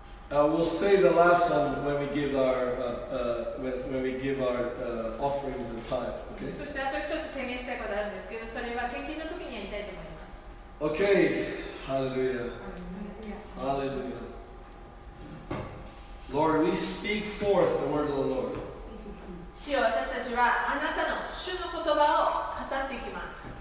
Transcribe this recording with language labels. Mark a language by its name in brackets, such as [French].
[English] we'll say the last one when we give our offerings and tithe. Okay. [Japanese] そしてあと一つ宣言したいことあるんですけど、それは献金の時にやりたいと思います。 [English] Okay. Hallelujah. Hallelujah. Lord, we speak forth the word of the Lord. [Japanese] 主よ、私たちはあなたの主の言葉を語っていきます。